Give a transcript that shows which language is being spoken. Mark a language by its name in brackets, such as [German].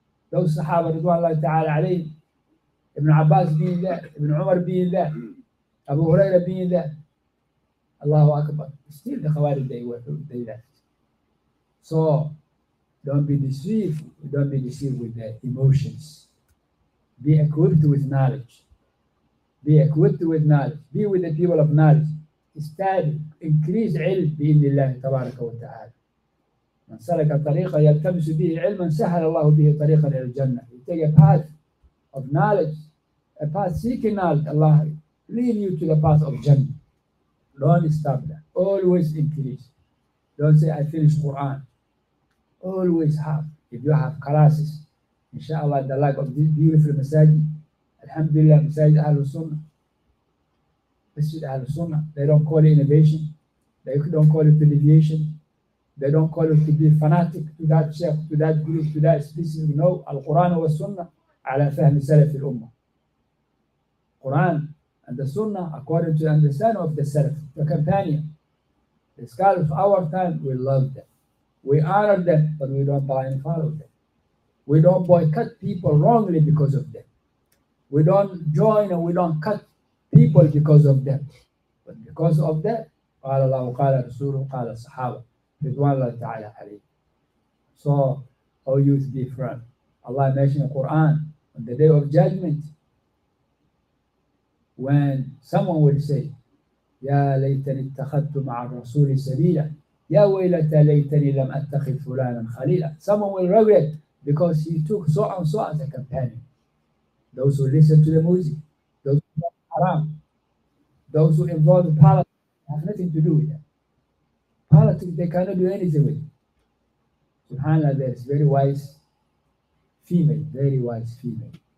[English] Those Sahaba, radhiyallahu ta'ala alayhim, Ibn Abbas being there, Ibn Umar being there, Abu Huraira being there. Allahu Akbar. Still the Khawarij, they were through, they left. So, don't be deceived. Don't be deceived with the emotions. Be equipped with knowledge. Be equipped with knowledge. Be with the people of knowledge. Study. Increase ilm [Arabic] بإذن الله تبارك وتعالى. من سلك طريقا يلتمس به علما سهل الله به طريقا إلى الجنة. [English] You take a path of knowledge, a path seeking knowledge. Allah lead you to the path of Jannah. Don't stop there. Always increase. Don't say, I finished Quran. Always have. If you have classes, inshallah, the lack of this beautiful masajid. Alhamdulillah, Masajid Ahl-Sunnah. Masjid Ahl-Sunnah. They don't call it innovation. They don't call it deviation. They don't call it to be fanatic to that sheikh, to that group, to that species. [Arabic] No, Al-Quran wa Sunnah ala fahmi salaf al-Ummah. [English] Quran and the Sunnah according to the understanding of the Salaf, the companion. The scholars of our time, we love them. We honor them, but we don't buy and follow them. We don't boycott people wrongly because of them. We don't join and we don't cut people because of that. But because of that, [Arabic] قال الله قال رسوله قال الصحابة رضوان الله تعالى عليه. [English] So, O youth, be firm. Allah mentioned the Quran on the day of judgment. When someone will say, [Arabic] يا ليتني اتخذت مع الرسول سبيلا يا ويلتى ليتني لم اتخذ فلانا خليلا. [English] Someone will regret because he took so and so as a companion. Those who listen to the music, those who are haram, those who involve the politics, have nothing to do with them. Politics, they cannot do anything with it. SubhanAllah, there is very wise female, very wise female.